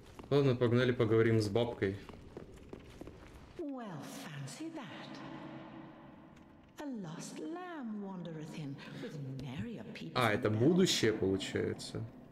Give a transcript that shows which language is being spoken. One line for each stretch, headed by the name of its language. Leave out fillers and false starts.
Russian: Ладно, погнали, поговорим с бабкой.
English: Well, fancy that. A lost lamb wandereth in with merry a peep.
Russian: А, это будущее получается.